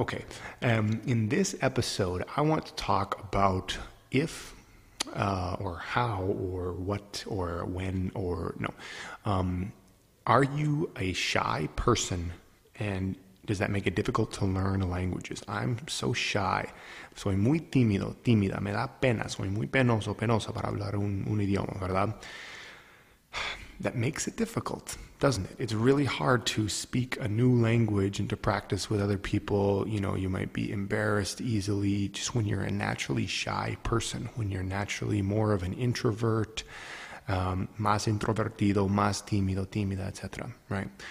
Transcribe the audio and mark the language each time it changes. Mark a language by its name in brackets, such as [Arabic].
[English] Okay, in this episode, I want to talk about are you a shy person, and does that make it difficult to learn languages? I'm so shy. [Spanish] Soy muy tímido, tímida. Me da pena. Soy muy penoso, penosa para hablar un idioma, ¿verdad? [English] That makes it difficult, doesn't it? It's really hard to speak a new language and to practice with other people. You know, you might be embarrassed easily just when you're a naturally shy person, when you're naturally more of an introvert, [Spanish] más introvertido, más tímido, tímida, [English] etc., right?